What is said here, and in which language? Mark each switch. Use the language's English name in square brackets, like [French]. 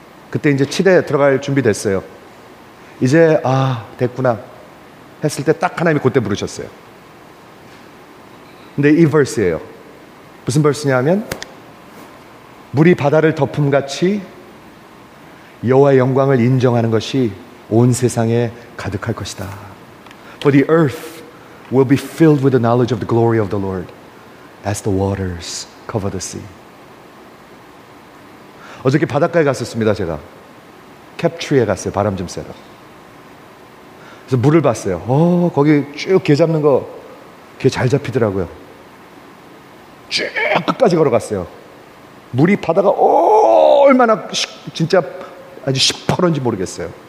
[Korean] 그때 이제 치대에 들어갈 준비됐어요. 이제 아 됐구나 했을 때 딱 하나님이 그때 부르셨어요. 근데 이 verse예요. 무슨 verse냐면 물이 바다를 덮음같이 여호와의 영광을 인정하는 것이 온 세상에 가득할 것이다. [English] For the earth will be filled with the knowledge of the glory of the Lord as the waters cover the sea. [Korean] 어저께 바닷가에 갔었습니다. 제가 캡트리에 갔어요. 바람 좀 쐬러. 그래서 물을 봤어요. 거기 쭉 개 잡는 거 개 잘 잡히더라고요. 쭉 끝까지 걸어갔어요. 물이 바다가 얼마나 진짜 아주 시퍼런지 모르겠어요.